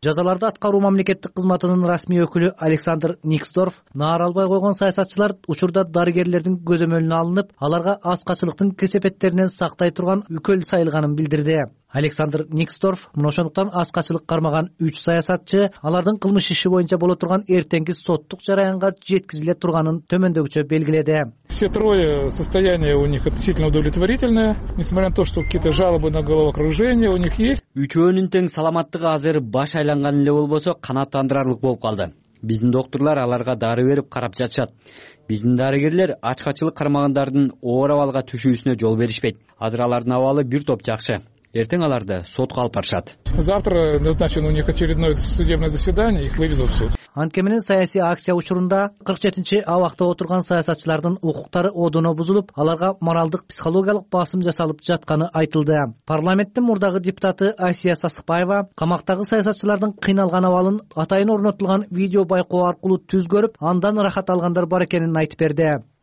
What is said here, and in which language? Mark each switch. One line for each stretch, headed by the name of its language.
Kyrgyz: Жазаларды аткаруу мамлекеттик кызматынын расмий өкүлү Александр Никсдорф наара албай койгон саясатчылар учурда дарыгерлердин көзөмөлүнө алынып, аларга ачкачылыктын кесепеттеринен сактай турган үкөл сайылганын билдирди. Александр Никсдорф мына ошондуктан ачкачылык кармаган 3 саясатчы алардын кылмыш иши боюнча боло турган эртеңки соттук жараянга жеткизиле турганын төмөндөгүчө белгиледи.
Russian: Все трое состояние у них относительно удовлетворительное, несмотря на то, что какие-то жалобы на головокружение у них есть.
Kyrgyz: Үчөөнүн тең саламаттыгы азыр баш айланган эле болбосо канааттандырарлык болуп калды. Биздин доктурлар аларга дары берип карап жатышат. Биздин дарыгерлер ачкачылык кармагандардын оор абалга түшүүсүнө жол беришпейт. Азыр алардын абалы бир топ жакшы. Эртең аларды сотко алып барышат.
Russian: Завтра назначено у них очередное судебное заседание, их вывезут в суд.
Kyrgyz: Анткени саясий акция учурунда 47-чи абакта отурган саясатчылардын укуктары одоно бузулуп, аларга моралдык психологиялык басым жасалып жатканы айтылды. Парламенттин мурдагы депутаты Асия Сасыкбаева камактагы саясатчылардын кыйналган абалын атайын орнотулган видео байкоо аркылуу түз көрүп, андан рахат алгандар бар экенин айтып берди.